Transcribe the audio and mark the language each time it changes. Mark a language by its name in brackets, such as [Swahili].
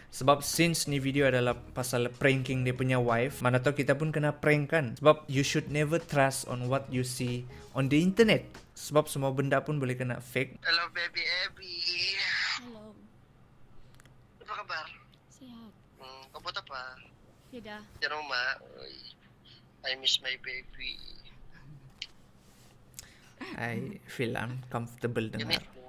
[Malay] Sebab since ni video adalah pasal pranking dia punya wife, mana tahu kita pun kena prank kan. [English] Sebab you should never trust on what you see on the internet. [Malay] Sebab semua benda pun boleh kena fake. [English] Hello baby Abby. Hello. [Malay] Apa kabar? Sihat. Kau buat apa? Tidak. Di rumah. [English] I miss my baby. I feel uncomfortable dengar.